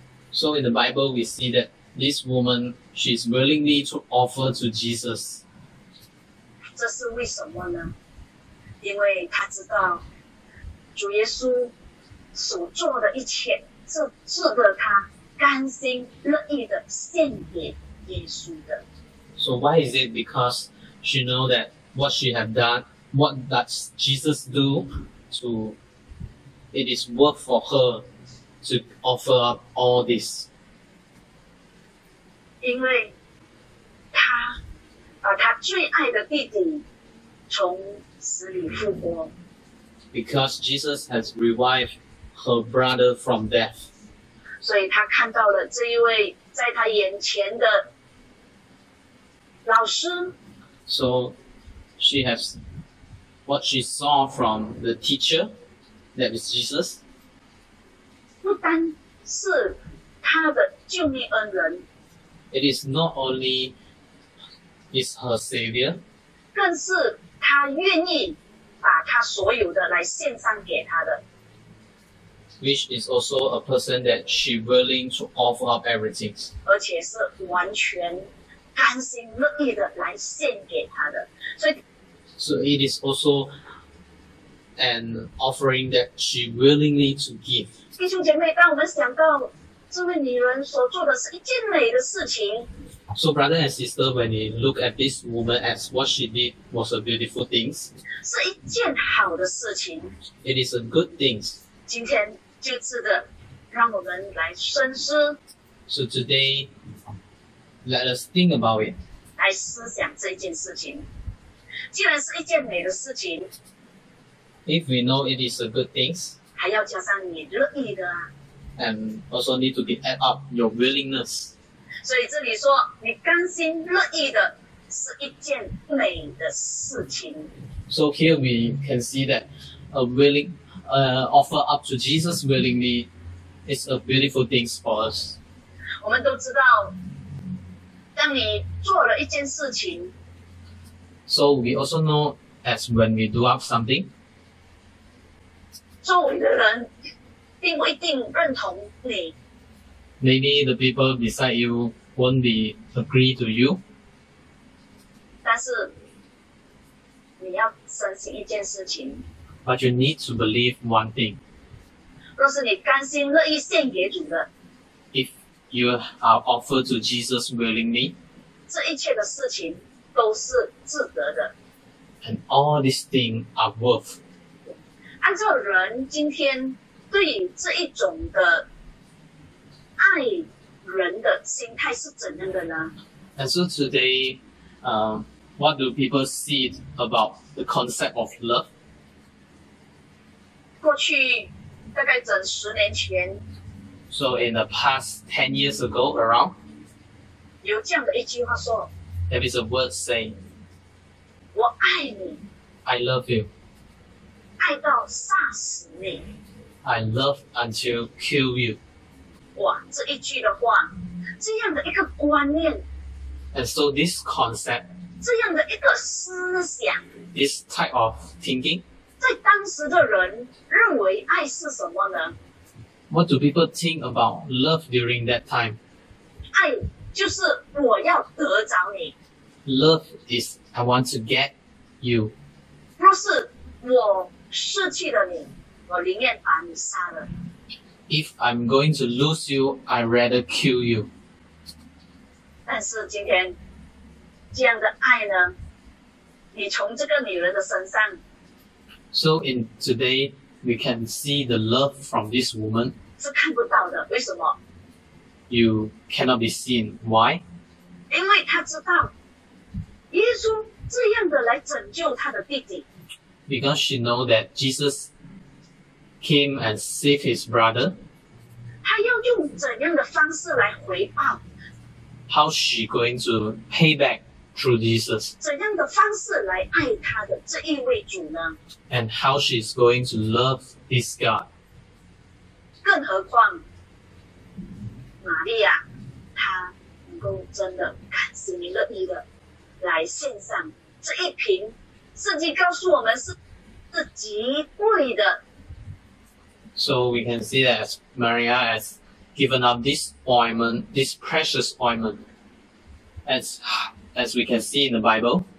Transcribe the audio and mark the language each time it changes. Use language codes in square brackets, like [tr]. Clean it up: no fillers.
[en] So in the Bible, we see that this woman, she is willingly to offer to Jesus. [zh] 这是为什么呢？因为他知道主耶稣所做的一切，是值得他甘心乐意的献给耶稣的。 [en] So why is it? Because she know that what she have done, what does Jesus do? To, it is worth for her to offer up all this. [zh] 因为他把他最爱的弟弟从死里复活。 [en] because Jesus has revived her brother from death. [zh] 所以他看到了这一位在他眼前的老师。 [en] So she has what she saw from the teacher, that is Jesus. [zh] 不单是他的救命恩人。 [en] It is not only is her savior. [zh] 更是他愿意把他所有的来献上给他的。 [en] Which is also a person that she willing to offer up everything. [zh] 而且是完全甘心乐意的来献给他的。 [en] So it is also an offering that she willingly to give. [zh] 弟兄姐妹，当我们想到这位女人所做的是一件美的事情。 [en] So brother and sister, when you look at this woman as what she did was a beautiful thing. [zh] 是一件好的事情。 [en] It is a good thing. [zh] 今天就值得让我们来深思。 [en] So today, let us think about it. [zh] 来思想这件事情。既然是一件美的事情。 [en] If we know it is a good thing. [zh] 还要加上你乐意的啊。 [en] And also need to be add up your willingness. [zh] 所以这里说你甘心乐意的是一件美的事情。 [en] So here we can see that a willing, offer up to Jesus willingly is a beautiful thing for us. [zh] 我们都知道当你做了一件事情。 [en] So we also know as when we do up something, [zh] 周围的人并不一定认同你。 [en] Maybe the people beside you won't be agree to you. [zh] 但是你要相信一件事情。 [en] But you need to believe one thing. [zh] 若是你甘心乐意献给主的。 [en] If you are offered to Jesus willingly. [zh] 这一切的事情都是值得的。 [en] And all these things are worth. [zh] 按照人今天对于这一种的爱人的心态是怎样的呢？ [en] And so today, what do people see about the concept of love? [zh] 过去大概整十年前。 [en] So in the past 10 years ago, around? [zh] 有这样的一句话说。 [en] There is a word saying. [zh] 我爱你。 [en] I love you. [zh] 爱到杀死你。 [en] I love until kill you. [zh] 哇，这一句的话，这样的一个观念。 [en] And so this concept. [zh] 这样的一个思想。 [en] This type of thinking. [zh] 在当时的人认为爱是什么呢？ [en] What do people think about love during that time? [zh] 爱就是我要得着你。 [en] Love is I want to get you. [zh] 若是我失去了你。我宁愿把你杀了。 [en] If I'm going to lose you, I'd rather kill you. [zh] 但是今天，这样的爱呢，你从这个女人的身上。 [en] So in today, we can see the love from this woman. [zh] 是看不到的，为什么？ [en] You cannot be seen. Why? [zh] 因为她知道，耶稣这样的来拯救她的弟弟。 [en] Because she knows that Jesus came and save his brother. [zh] 他要用怎样的方式来回报？ [en] How she going to pay back through Jesus? [zh] 怎样的方式来爱他的这一位主呢？ [en] And how she is going to love this God? [zh] 更何况，玛利亚，她能够真的甘心乐意的来献上这一瓶，圣经告诉我们是极贵的。 [en] So we can see that as Maria has given up this ointment, this precious ointment, as we can see in the Bible,